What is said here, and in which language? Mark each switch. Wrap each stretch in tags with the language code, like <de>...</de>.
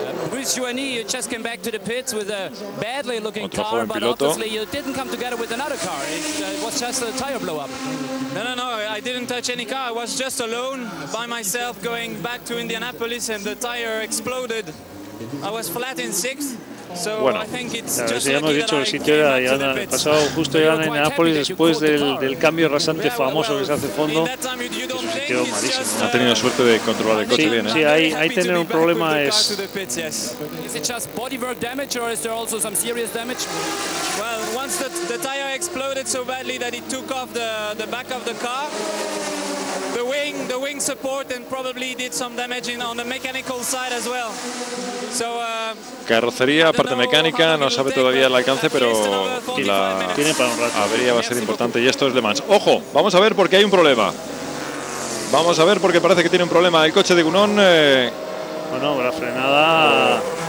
<en>Bruce Joanny, you just came back to the pits with a badly looking car, but obviously you didn't come together with another car. It was just a tire blow up. No, I didn't touch any car. I was just alone by myself going back to Indianapolis and the tire exploded. I was flat in sixth.</en> <es>Bueno, claro, si ya hemos dicho el sitio, ya ha pasado justo ya en Nápoles después del cambio rasante famoso que se hace fondo. Es un sitio malísimo. Ha tenido suerte de controlar el coche bien. Sí, ahí tener un problema es.</es> <en>¿Es just bodywork damage or is there also some serious damage? Well, once the tire exploded so badly that it took off the back of the car, the wing support and probably did some damage on the mechanical side as well. So,</en> <es>carrocería, parte mecánica, no sabe todavía el alcance, pero la tiene para un rato. Avería va a ser importante, y esto es Le Mans. Ojo, vamos a ver porque hay un problema. Vamos a ver porque parece que tiene un problema el coche de Gounon. Bueno, la frenada.</es>